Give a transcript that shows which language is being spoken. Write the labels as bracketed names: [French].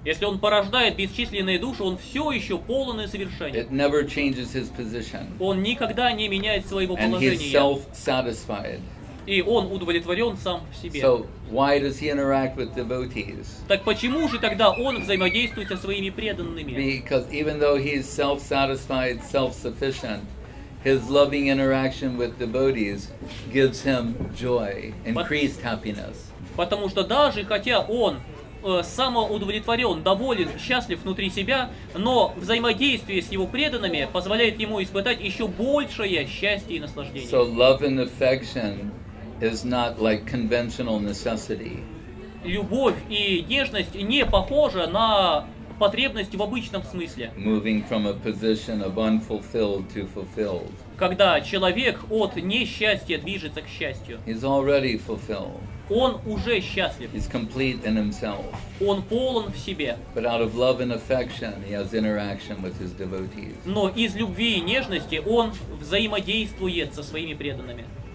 [Russian] Если он порождает бесчисленные души, он все еще полон и совершенен. [English] It never changes his position. [Russian] Он никогда не меняет своего положения. [English] And he's self-satisfied. [Russian] И он удовлетворен сам в себе. [English] So, why does he interact with devotees? [Russian] Так почему же тогда он взаимодействует со своими преданными? [English] Because even though he is self-satisfied, self-sufficient, his loving interaction with devotees gives him joy, increased happiness. [Russian] Потому что даже хотя он самоудовлетворен, доволен, счастлив внутри себя, но взаимодействие с его преданными позволяет ему испытать еще большее счастье и наслаждение. [English] So, love and affection is not like conventional necessity. [Russian] Любовь и нежность не похожа на потребность в обычном смысле. [English] Moving from a position of unfulfilled to fulfilled. [Russian] Когда человек от несчастья движется к счастью. [English] He's already fulfilled. [Russian] Он уже счастлив. [English] He's complete in himself. [Russian] Он полон в себе. [English] But out of love and affection, he has interaction with his devotees. [Russian] Но из любви и нежности он взаимодействует со своими преданными.